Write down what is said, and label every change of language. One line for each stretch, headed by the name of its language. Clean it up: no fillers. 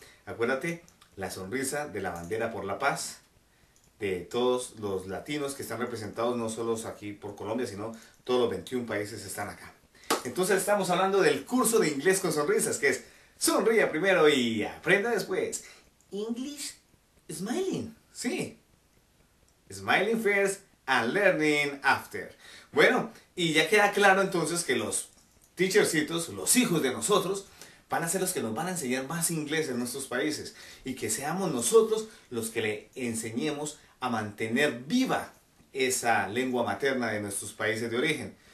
Spanish: Acuérdate, la sonrisa de la bandera por la paz, de todos los latinos que están representados, no solo aquí por Colombia, sino todos los 21 países están acá. Entonces estamos hablando del curso de inglés con sonrisas, que es sonríe primero y aprenda después.
English: English smiling.
Spanish: Sí.
English: Smiling first and learning after.
Spanish: Bueno, y ya queda claro entonces que los teachercitos, los hijos de nosotros, van a ser los que nos van a enseñar más inglés en nuestros países y que seamos nosotros los que le enseñemos a mantener viva esa lengua materna de nuestros países de origen.